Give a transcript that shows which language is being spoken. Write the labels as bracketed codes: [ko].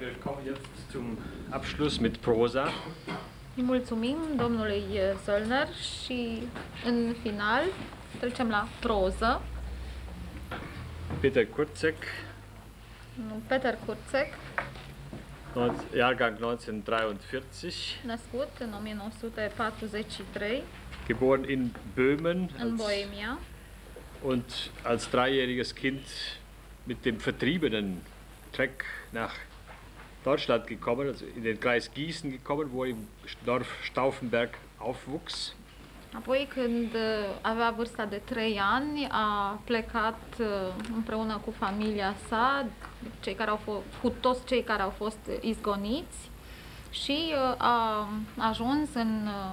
[de] Wir kommen jetzt zum Abschluss mit Prosa. [ro] Mulțumim, domnului Söllner, și în final trecem la proză. [de] Peter Kurzeck. [ro] Peter Kurzeck. [de] Jahrgang 1943. [ro] Născut în 1943. [de] Geboren in Böhmen. [ro] În Bohemia. [de] Und als dreijähriges Kind mit dem vertriebenen Treck nach Deutschland gekommen, also in den Kreis Gießen gekommen, wo er im Dorf Stauffenberg aufwuchs. [ro] Apoi când avea vârsta de 3 ani, a plecat împreună cu familia sa, cu toți cei care au fost izgoniți și a ajuns în